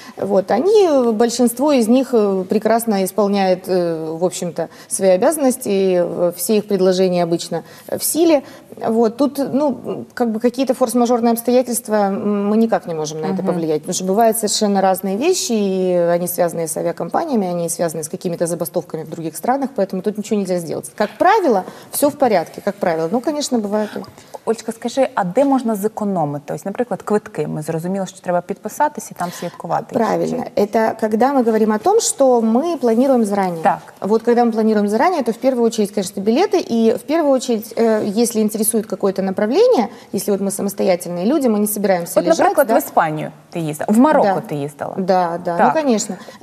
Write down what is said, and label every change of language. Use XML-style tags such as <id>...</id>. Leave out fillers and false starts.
<ru>Вот, они, большинство из них прекрасно исполняет, в общем-то, свои обязанности, все их предложения обычно в силе. Вот, тут, ну, как бы какие-то форс-мажорные обстоятельства, мы никак не можем на это повлиять, потому что бывают совершенно разные вещи, и они связаны с авиакомпаниями, они не связанные с какими-то забастовками в других странах, поэтому тут ничего нельзя сделать. Как правило, все в порядке, как правило. Ну, конечно, бывает.</ru> <uk>Ольчка, скажи, а де можна зекономити? Ось, наприклад, квитки. Ми зрозуміли, що треба підписатися і там святкувати. Правильно.</uk> <ru>Это когда мы говорим о том, что мы планируем заранее. Так. Вот когда мы планируем заранее, то в первую очередь, конечно, билеты. И в первую очередь, если интересует какое-то направление, если вот мы самостоятельные люди, мы не собираемся вот, лежать. Вот,</ru> <uk>наприклад,</uk> <ru>да? В Испанию ты ездила. В Марокко да. Ты ездила. Да, да. Так. Ну, конечно.</ru>